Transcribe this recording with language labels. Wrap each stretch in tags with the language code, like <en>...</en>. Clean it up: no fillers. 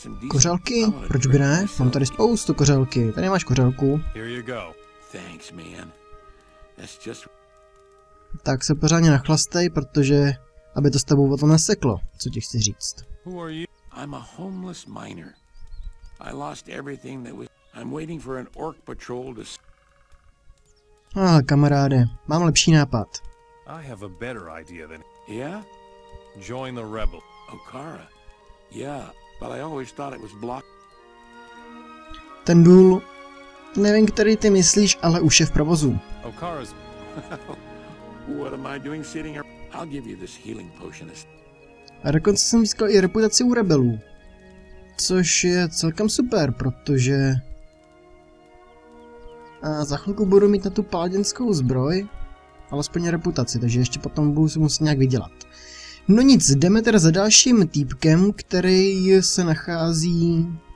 <cs>Kořelky? Proč by ne? Mám tady spoustu kořelky, tady máš kořelku. Tak se pořádně nachlastej, protože aby to s tebou o tom neseklo, co ti chci říct.</cs> <en>I'm a homeless miner. I lost everything that was... I'm waiting for an orc patrol to...</en> <cs>kamaráde, mám lepší nápad.</cs> <en>I have a better idea than... Yeah? Join the rebel. Okara? Yeah, but I always thought it was blocked.</en> <cs>Ten důl... Nevím, který ty myslíš, ale už je v provozu.</cs> <en>Okara's... What am I doing sitting here? I'll give you this healing potion.</en> <cs>A dokonce jsem získal i reputaci u rebelů. Což je celkem super, protože... A za chvilku budu mít na tu paladinskou zbroj. Alespoň reputaci, takže ještě potom budu si muset nějak vydělat. No nic, jdeme teda za dalším týpkem, který se nachází...</cs>